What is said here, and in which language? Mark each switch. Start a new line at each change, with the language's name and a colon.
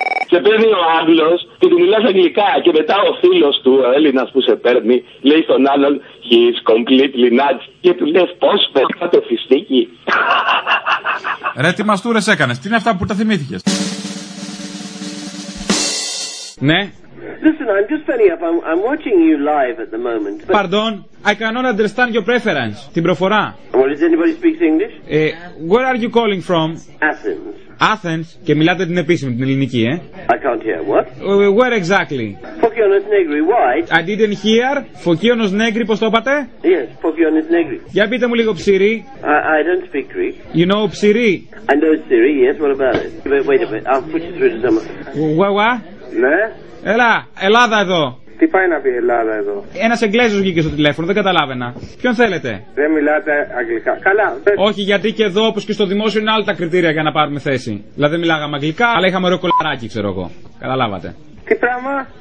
Greek: Και παίρνει ο Άγγλος και του μιλάς αγγλικά και μετά ο φίλος του, ο Έλληνας που σε παίρνει, λέει στον άλλον
English: «He's completely nuts»
Greek: και του λες «Πώς πέρα το φιστίκι». Ρε τι μαστούρες έκανες, τι είναι αυτά που τα θυμήθηκες? Ναι.
English: Listen, I'm just finishing up. I'm watching you live at the moment. But... Pardon, I cannot understand your preference.
Greek: Την προφορά.
English: Well, does anybody speak English? Where are you calling from? Athens. Athens.
Greek: Και μιλάτε την επίσημη, την ελληνική, ε?
English: I can't hear. What? Where exactly? Phokionos Negri. Why? I didn't hear.
Greek: Phokionos Negri, πώς το είπατε?
English: Yes, Phokionos Negri.
Greek: Για πείτε μου λίγο ψηρή.
English: I don't speak Greek. You know ψηρή? I know ψηρή, yes. What about it? Wait a bit. I'll put you through to someone. Wawa?
Greek: Ναι. Έλα, Ελλάδα εδώ. Τι πάει να πει Ελλάδα εδώ? Ένας Εγγλέζος βγήκε στο τηλέφωνο, δεν καταλάβαινα. Ποιον θέλετε? Δεν μιλάτε αγγλικά. Καλά. Δεν... Όχι, γιατί και εδώ όπως και στο δημόσιο είναι άλλα τα κριτήρια για να πάρουμε θέση. Δηλαδή μιλάγαμε αγγλικά, αλλά είχαμε ωραίο κολαράκι, ξέρω εγώ. Καταλάβατε. Τι πράγμα?